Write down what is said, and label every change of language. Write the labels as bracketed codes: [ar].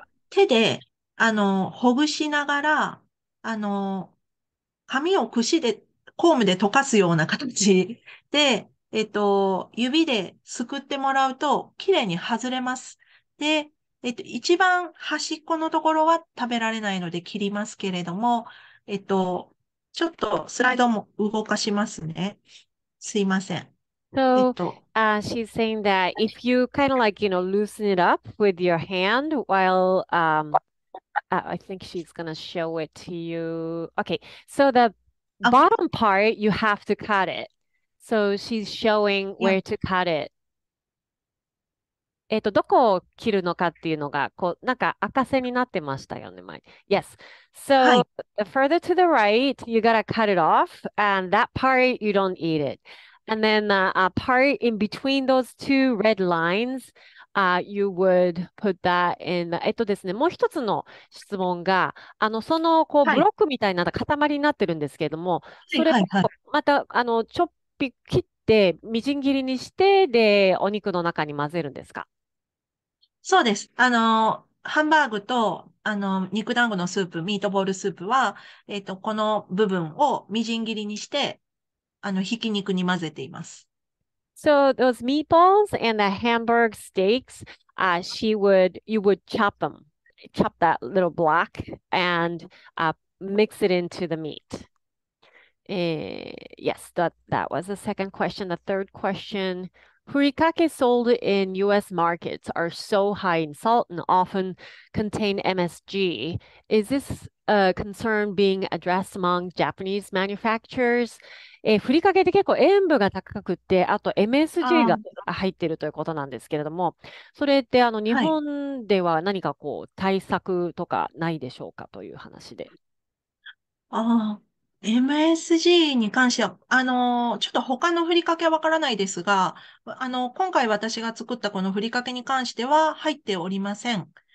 [ja] 手で、あの、ほぐしながら、あの、髪を櫛で、コームで溶かすような形で、指ですくってもらうと、きれいに外れます。で、一番端っこのところは食べられないので切りますけれども、ちょっとスライドも動かしますね。すいません。 [en] So, she's saying that if you kind of like, you know, loosen it up with your hand while, I think she's gonna show it to you. Okay, so the bottom part, you have to cut it. So she's showing where to cut it. [ja] どこを切るのかっていうのが、こう、なんか赤線になってましたよね、前。 [en] Yes. So,、はい、further to the right, you gotta cut it off, and that part, you don't eat it. And then a part in between those two red lines, you would put that in the... [ja] ですね、もう一つの質問が、あの、その、こう、はい、ブロックみたいな塊になってるんですけれども、それを、また、あの、ちょっぴ切って、みじん切りにして、で、お肉の中に混ぜるんですか？そうです。あの、ハンバーグと、あの、肉団子のスープ、ミートボールスープは、この部分をみじん切りにして、あの、ひき肉に混ぜています。 [en] So those meatballs and the hamburg steaks,、she would, you would chop them, chop that little block and、mix it into the meat.、yes, that was the second question. The third question, furikake sold in US markets are so high in salt and often contain MSG. Is this a concern being addressed among Japanese manufacturers? [ja] ふりかけって結構塩分が高くて、あと MSG が入ってるということなんですけれども、それってあの日本では何かこう対策とかないでしょうかという話で。ああ、MSG に関しては、あの、ちょっと他のふりかけはわからないですが、あの、今回私が作ったこのふりかけに関しては入っておりません。